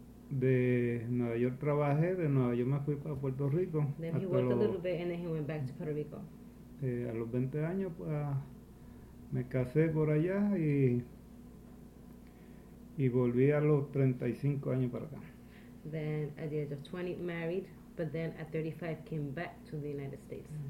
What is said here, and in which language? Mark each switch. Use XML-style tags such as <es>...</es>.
<es>De Nueva York trabajé, de Nueva York me fui para Puerto Rico.</es> <en>Then he worked a little bit and then he went back to Puerto Rico.</en> <es>A los 20 años pues me casé por allá y volví a los 35 años para acá.</es> <en>Then at the age of 20 married, but then at 35 came back to the United States.</en>